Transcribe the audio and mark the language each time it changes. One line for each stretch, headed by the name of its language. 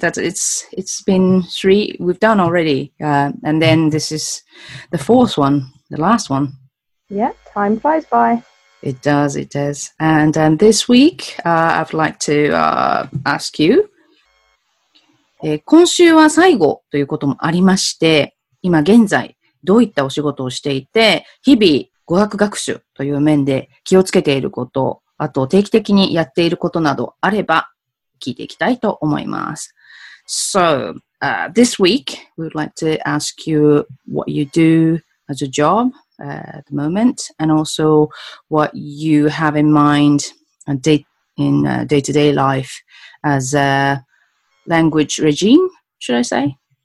English: That it's been three we've done already, and then this is the fourth one, the last one. Yeah, time flies by. It does, it does. And this week, I'd like to ask you.
Japanese: 今週は最後ということもありまして、今現在どういったお仕事をしていて、日々語学学習という面で気をつけていること、あと定期的にやっていることなどあれば聞いていきたいと思います。
English: So, this week, we would like to ask you what you do as a job at the moment, and also what you have in mind in day-to-day life as a language regime, should I say?